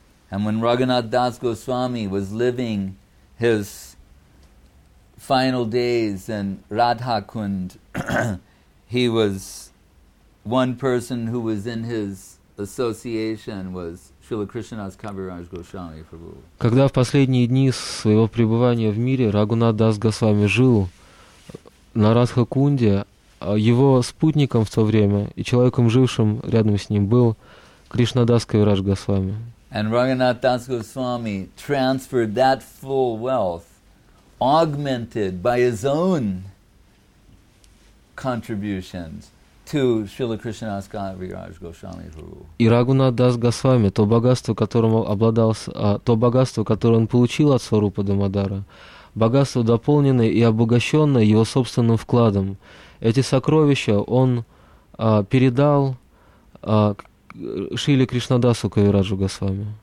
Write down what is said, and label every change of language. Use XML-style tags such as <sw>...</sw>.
<en>And when Raghunath Das Goswami was living his final days in Radhakund, he was one person who was in his association was Srila Krishnadas Kaviraj Goswami Prabhu.</en> <ru>Когда в последние дни своего пребывания в мире Рагунат Дас Госвами жил на Радхакунде, его спутником в то время и человеком, жившим рядом с ним, был Кришнадас Кавираж Госвами.</ru> <en>And Raghunath Das Goswami transferred that full wealth, augmented by his own contributions, to Śrīla Kṛṣṇadāsa Kaviraj Gosvāmī Guru.</en> <ru>И Рагхунат Дас Госвами, то богатство, которым обладал, то богатство, которое он получил от Сварупа Дамодара, богатство, дополненное и обогащенное его собственным вкладом, эти сокровища он передал Шиле Кришнадасу Кавираджу Госвами.</ru>